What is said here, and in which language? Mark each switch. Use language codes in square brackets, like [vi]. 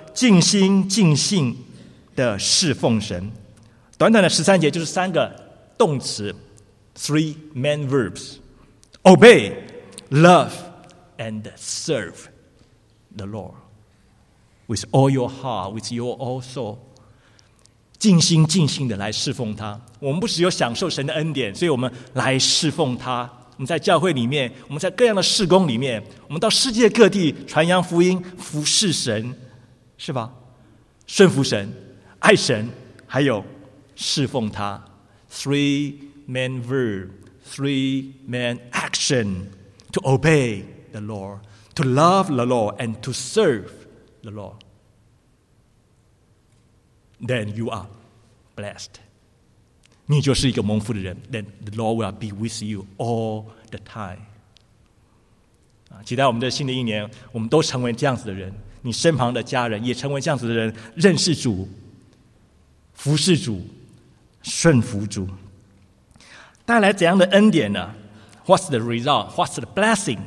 [zh] 尽心尽性的侍奉神。短短的十三节就是三个动词， [en] three main verbs: obey, love, and serve the Lord with all your heart, with your all soul. [zh] 尽心尽性的来侍奉他。我们不只有享受神的恩典，所以我们来侍奉他。我们在教会里面，我们在各样的事工里面，我们到世界各地传扬福音，服侍神，是吧？顺服神，爱神，还有侍奉他。 [en] Three main verb, three main action: to obey the Lord, to love the Lord, and to serve the Lord. Then you are blessed. [zh] 你就是一个蒙福的人。 [en] Then the Lord will be with you all the time. [zh] 期待我们的新的一年，我们都成为这样子的人，你身旁的家人也成为这样子的人，认识主，服侍主，顺服主。带来怎样的恩典呢？ [en] What's the result? What's the blessing?